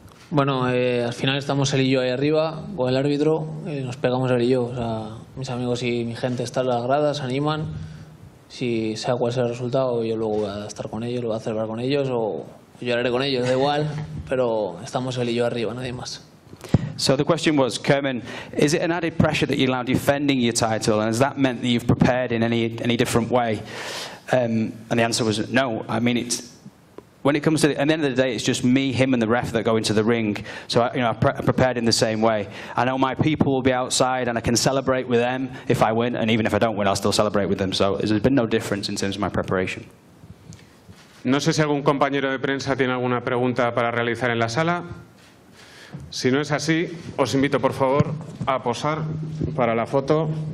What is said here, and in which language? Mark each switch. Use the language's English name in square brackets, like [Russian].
[Spanish] Bueno, al final estamos él y yo ahí arriba, con el árbitro, nos pegamos él y yo. O sea, mis amigos y mi gente están en las gradas, se animan. Si sea cual sea el resultado, yo luego voy a estar con ellos, lo voy a celebrar con ellos o... lloraré con ellos, da igual, pero estamos él y yo arriba, nadie más. [English] So the question was, Kerman, is it an added pressure that you're now defending your title, and has that meant that you've prepared in any different way? And the answer was no. I mean, it's when it comes to at the end of the day, it's just me, him, and the ref that go into the ring. So I prepared in the same way. I know my people will be outside, and I can celebrate with them if I win, and even if I don't win, I'll still celebrate with them. So there's been no difference in terms of my preparation. [Spanish] No sé si algún compañero de prensa tiene alguna pregunta para realizar en la sala. Si no es así, os invito, por favor, a posar para la foto.